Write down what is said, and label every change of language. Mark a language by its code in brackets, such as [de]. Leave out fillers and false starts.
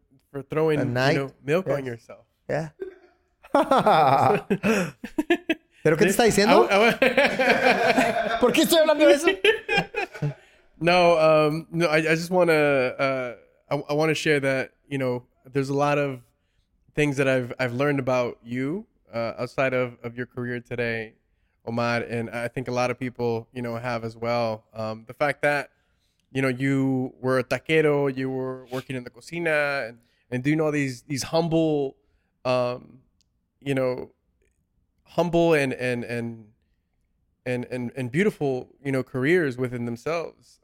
[en] For throwing, you know, milk on yourself. Yeah. [es] ¿Pero qué te está diciendo? ¿Por qué estoy hablando de eso? [en] No, I just want to... I want to share that, you know, there's a lot of things that I've learned about you outside of your career today, Omar, and I think a lot of people, you know, have as well. The fact that, you know, you were a taquero, you were working in the cocina, and doing all these humble, you know, humble and beautiful, you know, careers within themselves.